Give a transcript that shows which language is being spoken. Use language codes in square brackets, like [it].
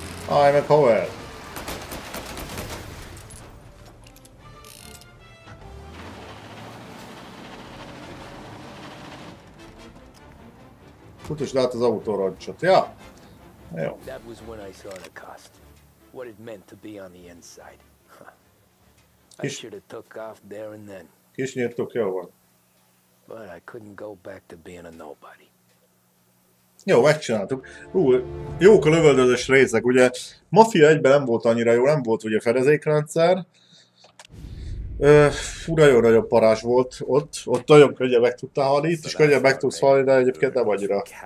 [hu] Állj meg, haver! Futasd át az autóroncsot, ja! [en] Jó. That was when I saw the cost. What it meant to be on the inside. I should have took off there and then. [hu] Kis nyírtok, jó van. [en] But I couldn't go back to being a nobody. [hu] Jó, megcsináltuk. Jók a lövöldözős részek, ugye Mafia 1-ben nem volt annyira jó, nem volt ugye fedezékrendszer. Nagyon nagyobb parázs volt ott, ott nagyon könnyen meg tudtál halni, itt is könnyen meg tudsz halni, de egyébként nem annyira.